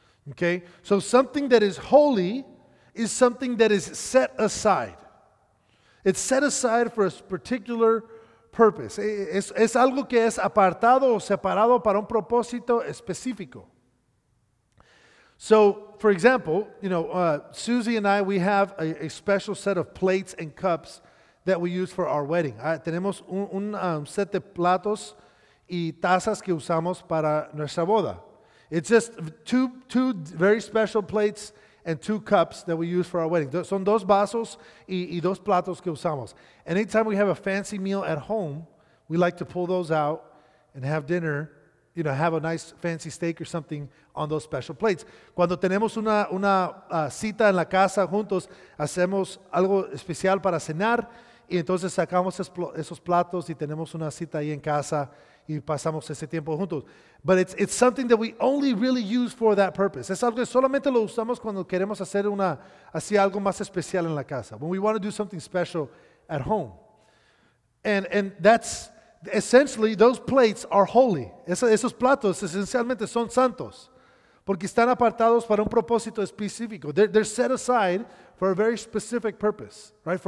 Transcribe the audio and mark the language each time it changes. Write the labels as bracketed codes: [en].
[en] Okay? So something that is holy is something that is set aside. It's set aside for a particular purpose. [es] Es algo que es apartado o separado para un propósito específico. [en] So, for example, you know, Susie and I, we have a special set of plates and cups that we use for our wedding. [es] Tenemos un set de platos y tazas que usamos para nuestra boda. [en] It's just two very special plates and two cups that we use for our wedding. [es] Son dos vasos y dos platos que usamos. [en] Anytime we have a fancy meal at home, we like to pull those out and have dinner. You know, have a nice fancy steak or something on those special plates. [es] Cuando tenemos una cita en la casa juntos, hacemos algo especial para cenar y entonces sacamos esos platos y tenemos una cita ahí en casa y pasamos ese tiempo juntos. [en] But it's something that we only really use for that purpose. [es] Es algo que solamente lo usamos cuando queremos hacer una así algo más especial en la casa. [en] When we want to do something special at home. And that's essentially, those plates are holy. [es] Esos platos esencialmente son santos. Porque están apartados para un propósito específico. [en] They're set aside for a very specific purpose, right?